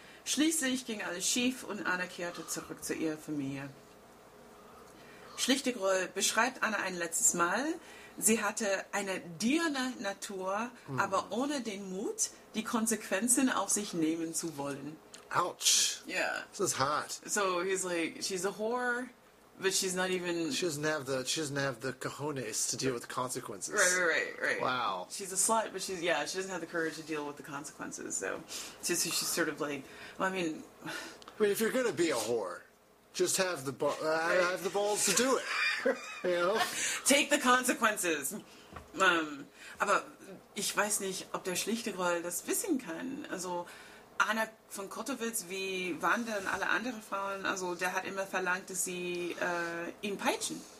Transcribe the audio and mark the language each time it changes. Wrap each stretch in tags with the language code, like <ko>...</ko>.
<de>Schließlich ging alles schief und Anna kehrte zurück zu ihrer Familie. Schlichtegroll beschreibt Anna ein letztes Mal. Sie hatte eine Dirne-Natur, aber ohne den Mut, die Konsequenzen auf sich nehmen zu wollen.</de> <en>Ouch. Yeah. This is hard. So he's like, she's a whore, but she's not even... She doesn't have the cojones to deal with the consequences. Right. Wow. She's a slut, but she doesn't have the courage to deal with the consequences. So she's sort of like, well, I mean... I mean, if you're going to be a whore, just have the have the balls to do it. You know? Take the consequences.</en> <de>Aber ich weiß nicht, ob der Schlichtegroll das wissen kann. Also Anna von Kotowitz, wie waren denn alle anderen Frauen? Also der hat immer verlangt, dass sie ihn peitschen.</de>